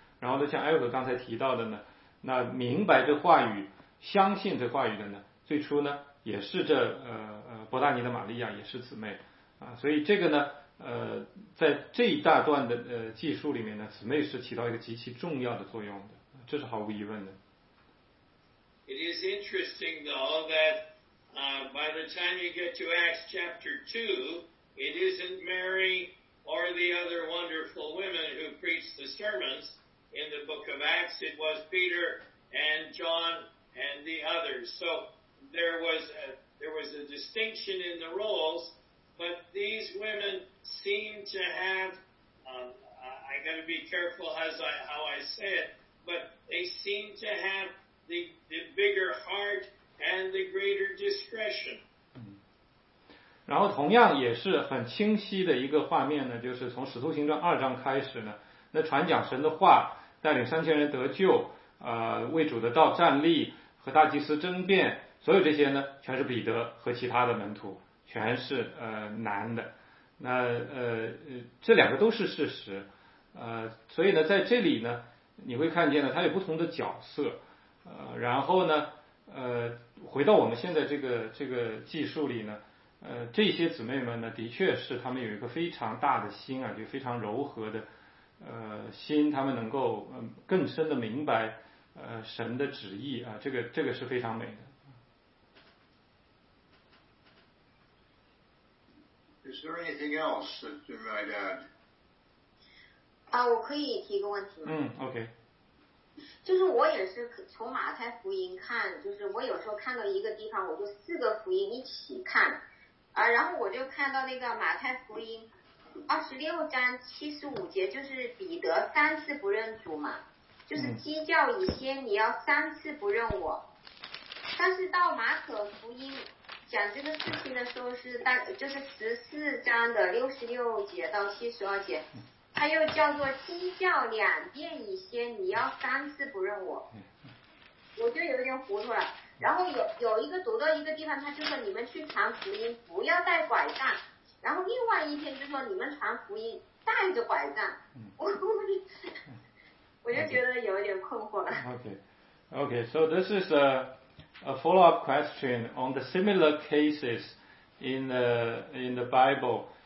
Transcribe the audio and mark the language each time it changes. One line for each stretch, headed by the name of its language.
Chinese: 然后呢，像艾瑞克刚才提到的呢，那明白这话语、相信这话语的呢，最初呢也是这伯大尼的玛利亚，也是姊妹啊，所以这个呢，在这一大段的记述里面呢，姊妹是起到一个极其重要的作用的，这是毫无疑问的。
English: It is interesting though that by the time you get to Acts chapter 2, it isn't Mary or the other wonderful women who preach the sermons. In the book of Acts, it was Peter and John and the others. So there was a distinction in the roles, but these women seem to have, I got to be careful how I say it, but they seem to have the bigger heart and the greater discretion.
Chinese: 然后同样也是很清晰的一个画面呢，就是从使徒行传二章开始呢，那传讲神的话带领三千人得救，为主的道站立，和大祭司争辩，所有这些呢，全是彼得和其他的门徒，全是男的。那这两个都是事实，所以呢，在这里呢，你会看见呢，它有不同的角色，然后呢，回到我们现在这个记述里呢，这些姊妹们呢，的确是他们有一个非常大的心啊，就非常柔和的。心他们能够更深的明白神的旨意啊，这个是非常美的。
English: Is there anything else that you might add?
Chinese: 啊，我可以提个问题吗？ OK。就是我也是从马太福音看，就是我有时候看到一个地方，我就四个福音一起看，然后我就看到那个马太福音。 26:75就是彼得三次不认主嘛，就是鸡叫以先你要三次不认我，但是到马可福音讲这个事情的时候是大就是14:66-72，他又叫做鸡叫两遍以先你要三次不认我，我就有点糊涂了。然后有一个读到一个地方，他就说你们去传福音不要带拐杖，然后另外一篇就说你们传福音带着拐杖，我就觉得有点困惑了。
English: Okay, so this is a follow-up question on the similar cases in the Bible.